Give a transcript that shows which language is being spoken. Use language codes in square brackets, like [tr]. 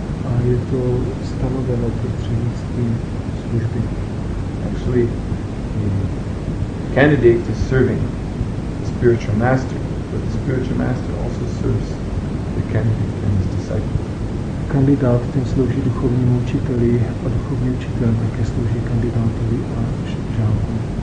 [cs] A je to stanoveno prostřednictvím služby. [en] Actually, the candidate is serving the spiritual master, but the spiritual master also serves the candidate and his disciples. [cs] K- kandidát, ten slouží duchovnímu učiteli a duchovní učitel také slouží kandidátovi a žákovi.